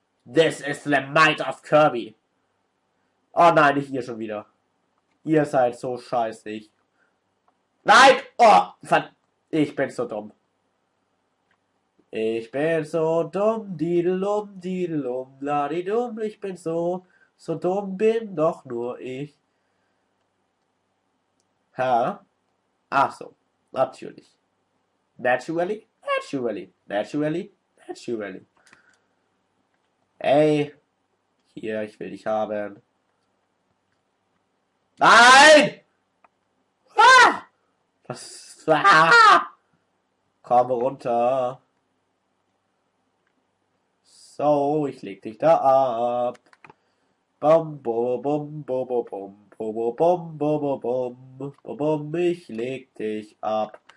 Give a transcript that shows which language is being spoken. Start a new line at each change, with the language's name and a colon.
English: This is the might of Kirby!
German: Oh nein, nicht hier schon wieder. Ihr seid so scheißig. Nein! Oh! Ich bin so dumm. Ich bin so dumm, didelum, didelum, ladidum, ich bin so dumm bin doch nur ich. Hä? Ach so, natürlich.
English: Naturally, naturally, naturally, naturally.
German: Ey, hier, ich will dich haben. Nein! Was? Komm runter. So, ich leg dich da ab. Bom, bom, bom, bom, bom, bom, bom, bom, bom, bom, bom, bom, ich leg dich ab.